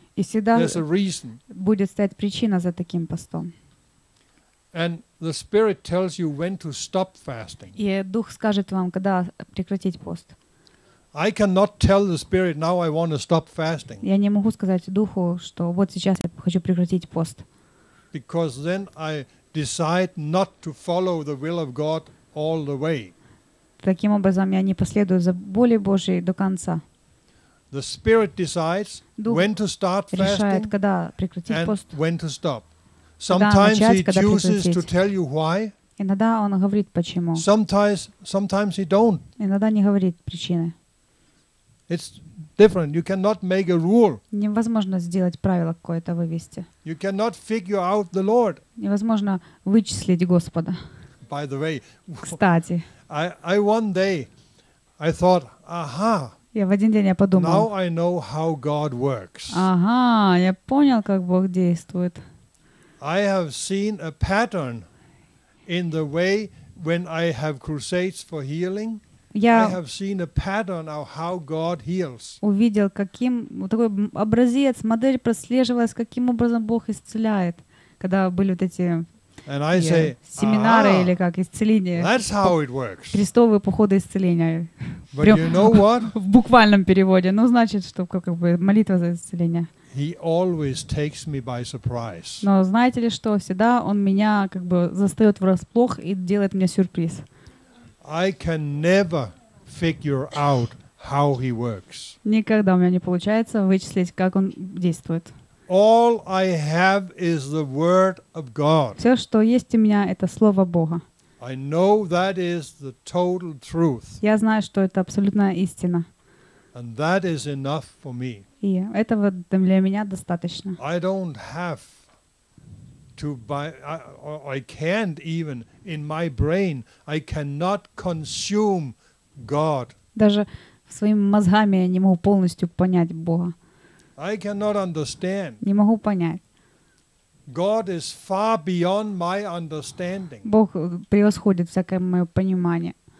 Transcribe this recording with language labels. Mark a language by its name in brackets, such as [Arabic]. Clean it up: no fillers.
[English] There's a reason. [Russian] Будет стоять причина за таким постом. [English] And the Spirit tells you when to stop fasting. [Russian] И Дух скажет вам, когда прекратить пост. [English] I cannot tell the Spirit now I want to stop fasting. [Russian] Я не могу сказать Духу, что вот сейчас я хочу прекратить пост. [English] Because then I decide not to follow the will of God all the way. [Russian] Таким образом, я не последую за волей Божьей до конца. [English] The Spirit decides [Russian] Дух [English] when to start fasting [Russian] решает, когда прекратить [English] and [Russian] пост. [English] When to stop. Sometimes [Russian] когда начать, когда [English] he chooses to tell you why. [Russian] Иногда он говорит почему. [English] Sometimes he don't. [Russian] Иногда не говорит причины. [English] It's different. You cannot make a rule. [Russian] Невозможно сделать правило какое-то вывести. [English] You cannot figure out the Lord. [Russian] Невозможно вычислить Господа. [English] By the way, [Russian] кстати, [English] I one day I thought, aha. [Russian] Я в один день я подумал. [English] Now I know how God works. [Russian] Ага, я понял, как Бог действует. [English] I have seen a pattern in the way when I have crusades for healing. I have seen a pattern of how God heals. [Russian] Увидел каким такой образец, модель прослеживалась, каким образом Бог исцеляет, когда были вот эти [English] And I say, [Russian] семинары или как исцеление. [English] That's how it works. [Russian] Христовые походы исцеления. [English] But you know what? [Russian] В буквальном переводе. Ну, значит, что как бы молитва за исцеление. [English] He always takes me by surprise. [Russian] Но знаете ли что? Всегда он меня как бы застает врасплох и делает мне сюрприз. [English] I can never figure out how he works. [Russian] Никогда у меня не получается вычислить, как он действует. [English] All I have is the word of God. [Russian] Все, что есть у меня, это слово Бога. [English] I know that is the total truth. [Russian] Я знаю, что это абсолютная истина. [English] And that is enough for me. [Russian] И этого для меня достаточно. [English] I don't have to buy. I can't even in my brain. I cannot consume God. [Russian] Даже своими мозгами я не могу полностью понять Бога. [English] I cannot understand. [Russian] Не могу понять. [English] God is far beyond my understanding. [Russian] Бог превосходит всякое мое понимание.